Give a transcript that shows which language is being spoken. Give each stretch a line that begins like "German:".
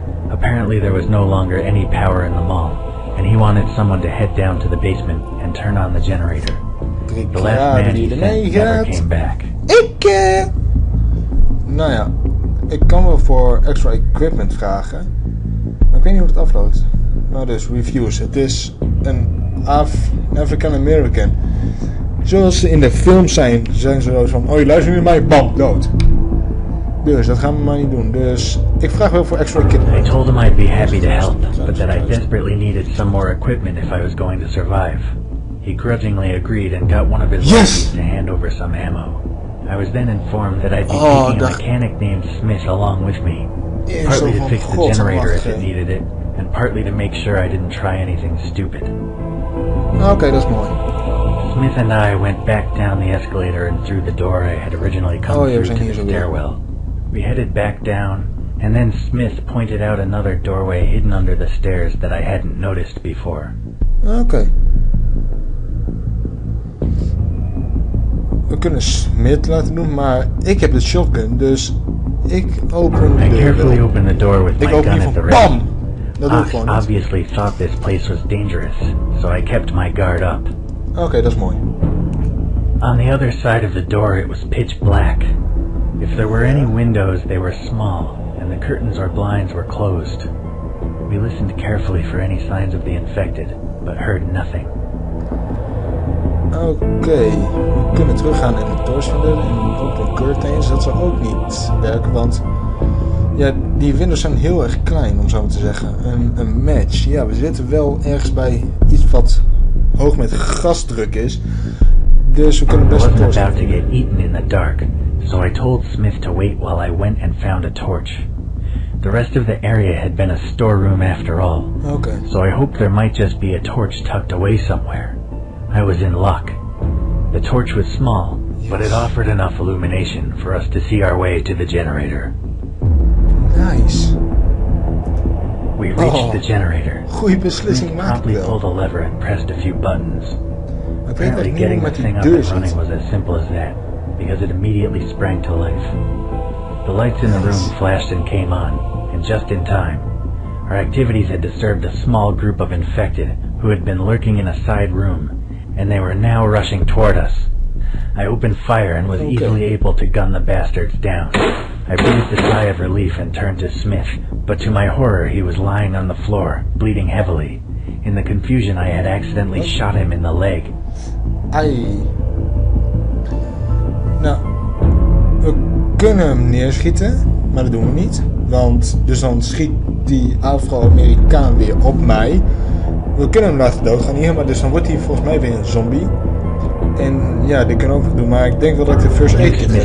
English: Apparently there was no longer any power in the mall. And he wanted someone to head down to the basement and turn on the generator. The last man he sent never came back.
Dutch: Ikke! Nou ja, ik kan wel voor extra equipment vragen. Maar ik weet niet hoe het afloopt. Nou dus, reviews. Het is een African-American. Zoals ze in de film zijn, zijn ze zo van, oh je luistert nu naar mij, bam, dood. Dus dat gaan we maar niet doen. Dus ik vraag wel voor extra equipment.
English: I told him I'd be happy to help, but that I desperately needed some more equipment if I was going to survive. He grudgingly agreed and got one of his lackeys to hand over some ammo. I was then informed that I'd be taking a mechanic named Smith along with me. Partly to fix the generator if it needed it, and partly to make sure I didn't try anything stupid. Okay, that's mooi. Smith and I went back down the escalator and through the door I had originally come through to the stairwell. We headed back down, and then Smith pointed out another doorway hidden under the stairs that I hadn't noticed before. Okay.
Dutch: We kunnen Smith laten doen, maar ik heb de shotgun, dus ik open de
English: I carefully opened the door with my gun at the ready. Bam! Ox obviously thought this place was dangerous, so I kept my guard up. Okay, that's mooi. On the other side of the door, it was pitch black. If there were any windows, they were small, and the curtains or blinds were closed. We listened carefully for any signs of the infected, but heard nothing.
Dutch: Okay, we kunnen teruggaan in de doorsvinder en ook de curtains. Dat zou ook niet werken, want ja, die windows zijn heel erg klein, om zo te zeggen. Een match. Ja, we zitten wel ergens bij iets wat hoog met gasdruk is, dus we kunnen best doorsvinden.
English: We're about to get eaten in the dark. So I told Smith to wait while I went and found a torch. The rest of the area had been a storeroom after all. Okay. So I hoped there might just be a torch tucked away somewhere. I was in luck. The torch was small, but it offered enough illumination for us to see our way to the generator. Nice. We reached the generator.
Dutch: Goeie beslissing,
English: Smith promptly pulled a lever and pressed a few buttons. Apparently getting the thing up and running was as simple as that. Because it immediately sprang to life. The lights in the room flashed and came on, and just in time. Our activities had disturbed a small group of infected who had been lurking in a side room, and they were now rushing toward us. I opened fire and was easily able to gun the bastards down. I breathed a sigh of relief and turned to Smith, but to my horror he was lying on the floor, bleeding heavily. In the confusion I had accidentally shot him in the leg.
Dutch: Nou, we kunnen hem neerschieten, maar dat doen we niet. Want dus dan schiet die Afro-Amerikaan weer op mij. We kunnen hem laten doodgaan hier, maar dus dan wordt hij volgens mij weer een zombie. En ja, dit kunnen we ook doen, maar ik denk wel dat ik de first aid kit